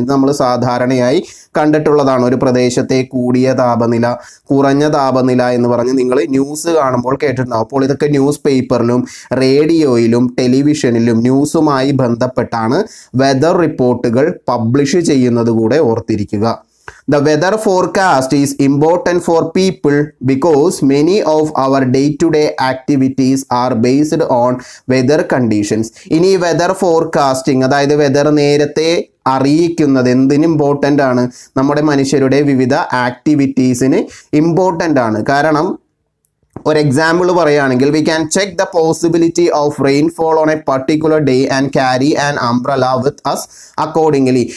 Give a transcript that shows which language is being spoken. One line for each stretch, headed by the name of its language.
Malayalam: ഇത് നമ്മൾ സാധാരണയായി കണ്ടിട്ടുള്ളതാണ്. ഒരു പ്രദേശത്തെ കൂടിയ താപനില, കുറഞ്ഞ താപനില എന്ന് പറഞ്ഞ് നിങ്ങൾ ന്യൂസ് കാണുമ്പോൾ കേട്ടിട്ടുണ്ടാകും. അപ്പോൾ ഇതൊക്കെ ന്യൂസ് പേപ്പറിലും റേഡിയോയിലും ടെലിവിഷനിലും ന്യൂസുമായി ബന്ധപ്പെട്ടാണ് വെതർ റിപ്പോർട്ടുകൾ പബ്ലിഷ് ചെയ്യുന്നത് കൂടെ ഓർത്തിരിക്കുക.
English: The weather forecast is important for people because many of our day-to-day activities are based on weather conditions.
Malayalam: ഇനി weather forecasting, അതായത് weather നേരത്തെ അറിയിക്കുന്നത് എന്തിന് ഇമ്പോർട്ടൻ്റ് ആണ്? നമ്മുടെ മനുഷ്യരുടെ വിവിധ ആക്ടിവിറ്റീസിന് ഇമ്പോർട്ടൻ്റ് ആണ്. കാരണം ഒരു എക്സാമ്പിൾ പറയുകയാണെങ്കിൽ,
English: We can check the possibility of rainfall on a particular day and carry an umbrella with us accordingly.